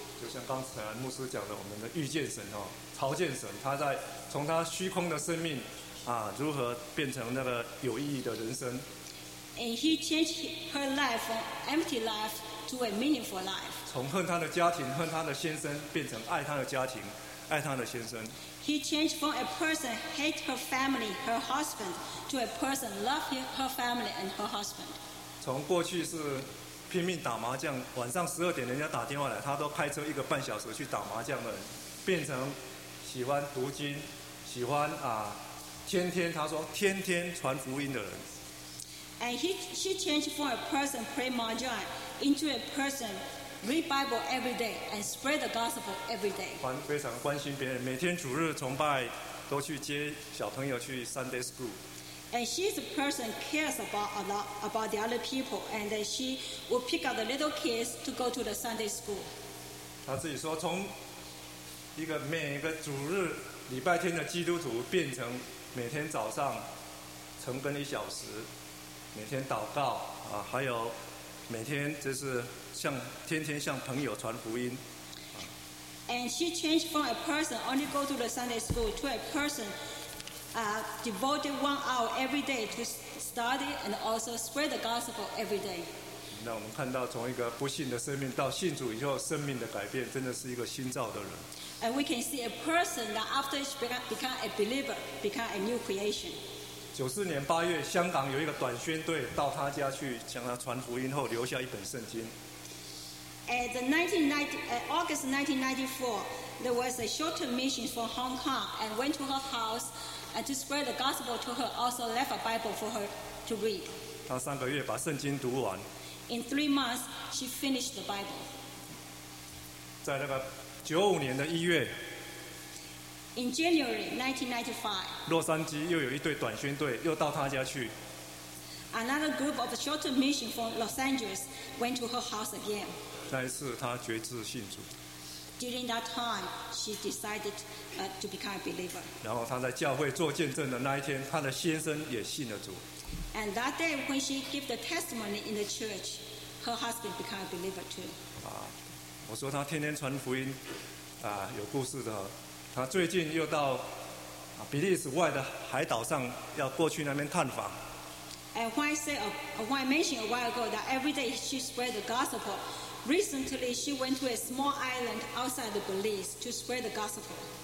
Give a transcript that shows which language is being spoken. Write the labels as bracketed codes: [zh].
[zh] 就像刚才牧师讲的，我们的遇见神哦，曹建神，他在从他虚空的生命。如何变成那个有意义的人生 [en] ？And he changed her life from empty life to a meaningful life. [zh] 从恨他的家庭、恨他的先生，变成爱他的家庭、爱他的先生。 [en] He changed from a person hate her family, her husband, to a person love her family and her husband. [zh] 从过去是拼命打麻将，晚上12点人家打电话来，他都开车一个半小时去打麻将的人，变成喜欢读经、喜欢天天他说天天传福音的人。 [en] And she changed from a person pray mahjong into a person read Bible every day and spread the gospel every day. [zh] 非常关心别人，每天主日崇拜都去接小朋友去 Sunday school. [en] And she's a person cares about the other people and she will pick up the little kids to go to the Sunday school. [zh] 他自己说从一个每个主日礼拜天的基督徒变成每天早上晨更一小时，每天祷告啊，还有每天就是向天天向朋友传福音。 [en] And she changed from a person only go to the Sunday school to a person devoted 1 hour every day to study and also spread the gospel every day. [zh] 那我们看到从一个不信的生命到信主以后，生命的改变真的是一个新造的人。 [en] And we can see a person that after she become a believer, become a new creation. [zh] 1994年8月，香港有一个短宣队到他家去向他传福音后，留下一本圣经。 [en] August 1994, there was a short mission from Hong Kong and went to her house and to spread the gospel to her. Also left a Bible for her to read. [zh] 她三个月把圣经读完。 [en] In 3 months, she finished the Bible. [zh] 在那个1995年1月。 [en] In January 1995. [zh] 洛杉矶又有一队短宣队又到她家去。 [en] Another group of short mission from Los Angeles went to her house again. [zh] 那一次她决志信主。 [en] During that time, she decided to become a believer. [zh] 然后她在教会做见证的那一天，她的先生也信了主。 [en] And that day when she gave the testimony in the church, her husband became a believer too. 啊， [zh] 我说她天天传福音，啊，有故事的。她最近又到比利时外的海岛上要过去那边探访。 [en] And why say why mention a while ago that every day she spread the gospel? Recently, she went to a small island outside the Belize to spread the gospel.